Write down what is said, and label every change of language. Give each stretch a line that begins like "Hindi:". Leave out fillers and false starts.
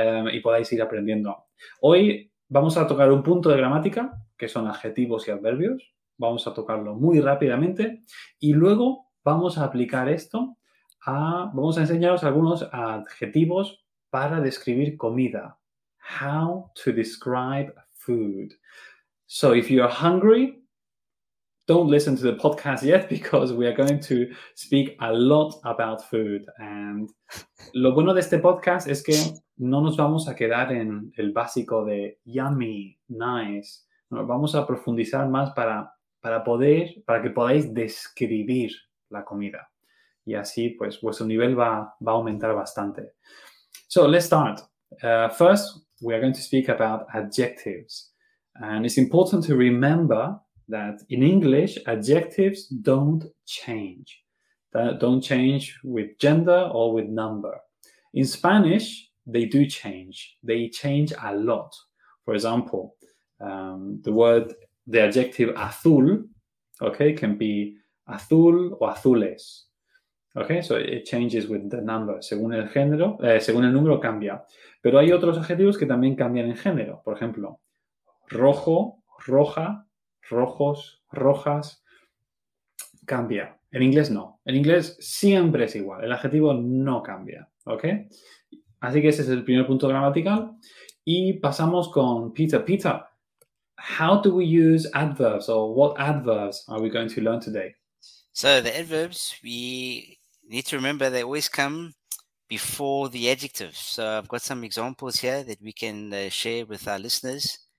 Spanish: Y podáis ir aprendiendo. Hoy vamos a tocar un punto de gramática, que son adjetivos y adverbios. Vamos a tocarlo muy rápidamente y luego vamos a aplicar esto a... Vamos a enseñaros algunos adjetivos para describir comida.
English: How to describe food. So if you're hungry, don't listen to the podcast yet because we are going to speak a lot about food.
Spanish: And lo bueno de este podcast es que no nos vamos a quedar en el básico de
English: yummy, nice.
Spanish: Nos vamos a profundizar más para que podáis describir la comida. Y así, pues, vuestro nivel va a aumentar bastante.
English: So let's start. First, we are going to speak about adjectives. And it's important to remember that in English, adjectives don't change. That don't change with gender or with number. In Spanish, they do change. They change a lot. For example, the adjective azul, okay, can be azul or azules. Okay, so it changes with the number.
Spanish: Según el número, cambia. Pero hay otros adjetivos que también cambian en género. Por ejemplo, rojo, roja, rojos, rojas, cambia. En inglés no. En inglés siempre es igual. El adjetivo no cambia. ¿Okay? Así que ese es el primer punto gramatical. Y pasamos con Peter.
English: Peter, how do we use adverbs or what adverbs are we going to learn today? So the adverbs, we need to remember they always come before the adjectives. So I've got some examples here that we can share with our listeners.